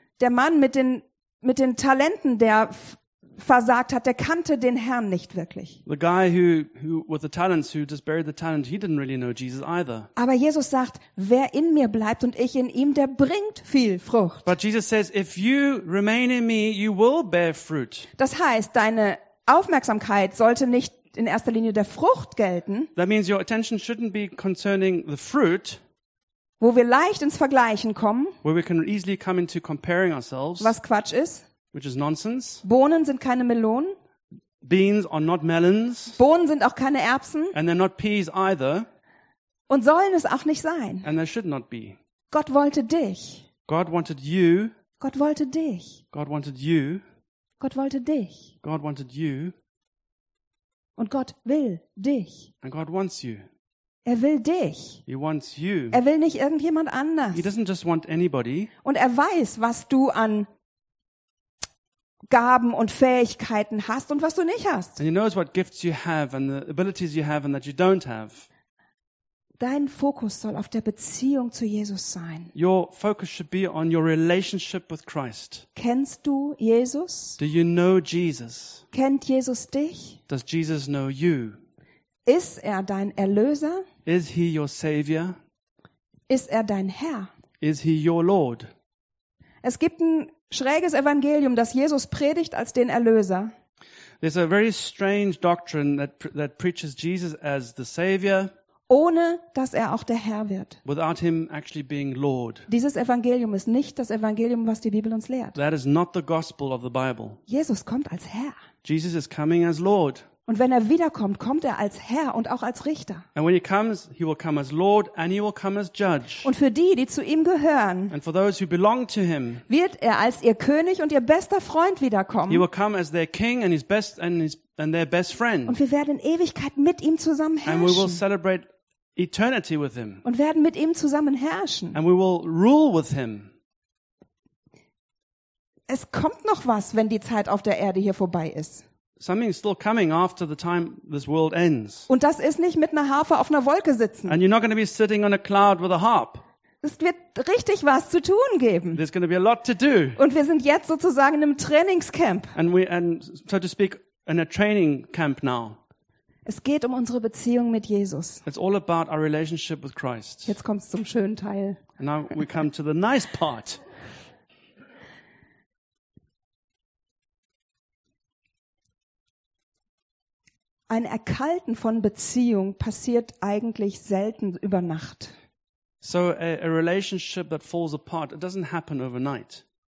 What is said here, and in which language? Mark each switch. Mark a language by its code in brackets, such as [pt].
[de] Der Mann mit den Talenten, der versagt hat, der kannte den Herrn nicht wirklich. [en] The guy who with the talents, who just buried the talent, he didn't really know Jesus either. [de] Aber Jesus sagt, wer in mir bleibt und ich in ihm, der bringt viel Frucht. [en] But Jesus says, if you remain in me, you will bear fruit. [de] Das heißt, deine Aufmerksamkeit sollte nicht in erster Linie der Frucht gelten. [en] That means your attention shouldn't be concerning the fruit. [de] Wo wir leicht ins Vergleichen kommen. [en] Where we can easily come into comparing ourselves. [de] Was Quatsch ist. [en] Which is nonsense. [de] Bohnen sind keine Melonen. [en] Beans are not melons. [de] Bohnen sind auch keine Erbsen. [en] And they're not peas either. [de] Und sollen es auch nicht sein. [en] And they should not be. [de] Gott wollte dich. [en] God wanted you. [de] Gott wollte dich. [en] God wanted you. [de] Gott wollte dich. [en] God wanted you. [de] Und Gott will dich. [en] And God wants you. [de] Er will dich. [en] He wants you. [de] Er will nicht irgendjemand anders. [en] He doesn't just want anybody. [de] Und er weiß, was du an Gaben und Fähigkeiten hast und was du nicht hast. [en] And he knows what gifts you have and the abilities you have and that you don't have. [de] Dein Fokus soll auf der Beziehung zu Jesus sein. [en] Your focus should be on your relationship with Christ. [de] Kennst du Jesus? [en] Do you know Jesus? [de] Kennt Jesus dich? [en] Does Jesus know you? [de] Ist er dein Erlöser? [en] Is he your savior? [de] Ist er dein Herr? [en] Is he your Lord? [de] Es gibt ein schräges Evangelium, das Jesus predigt als den Erlöser. [en] There's a very strange doctrine that preaches Jesus as the savior. [de] ohne dass er auch der Herr wird. [en] Without him actually being Lord. [de] Dieses Evangelium ist nicht das Evangelium, was die Bibel uns lehrt. [en] That is not the gospel of the Bible. [de] Jesus kommt als Herr. [en] Jesus is coming as Lord. [de] Und wenn er wiederkommt, kommt er als Herr und auch als Richter. [en] And when he comes, he will come as Lord and he will come as Judge. [de] Und für die, die zu ihm gehören, [en] and for those who belong to him, [de] wird er als ihr König und ihr bester Freund wiederkommen. [en] He will come as their King and his best and their best friend. [de] Und wir werden in Ewigkeit mit ihm zusammen herrschen. [en] And we will celebrate eternity with him. [de] Und werden mit ihm zusammen herrschen. [en] And we will rule with him. [de] Es kommt noch was, wenn die Zeit auf der Erde hier vorbei ist. [en] Something is still coming after the time this world ends. [de] Und das ist nicht mit einer Harfe auf einer Wolke sitzen. [en] And you're not going to be sitting on a cloud with a harp. [de] Es wird richtig was zu tun geben. [en] There's going to be a lot to do. [de] Und wir sind jetzt sozusagen im Trainingscamp. [en] And so to speak in a training camp now. [de] Es geht um unsere Beziehung mit Jesus. [en] It's all about our relationship with Christ. [de] Jetzt kommt's zum schönen Teil. [en] And now we come to the nice part. [de] Ein Erkalten von Beziehung passiert eigentlich selten über Nacht. [en] So a relationship that falls apart, it doesn't happen overnight.